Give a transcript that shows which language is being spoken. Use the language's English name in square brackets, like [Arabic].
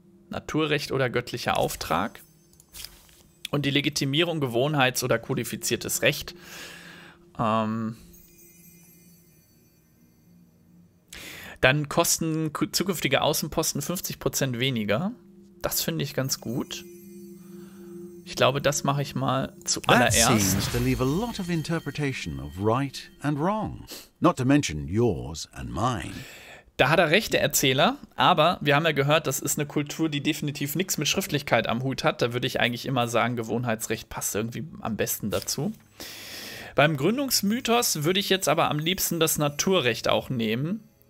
[German] Naturrecht oder göttlicher Auftrag. Und die Legitimierung, Gewohnheits- oder kodifiziertes Recht. Dann kosten zukünftige Außenposten 50% weniger. Das finde ich ganz gut. Ich glaube, das mache ich mal zuallererst. [English] Leave a lot of interpretation of right and wrong. Not to mention yours and mine. [German] Da hat er recht, der Erzähler. Aber wir haben ja gehört, das ist eine Kultur, die definitiv nichts mit Schriftlichkeit am Hut hat. Da würde ich eigentlich immer sagen, Gewohnheitsrecht passt irgendwie am besten dazu. Beim Gründungsmythos würde ich jetzt aber am liebsten das Naturrecht auch nehmen.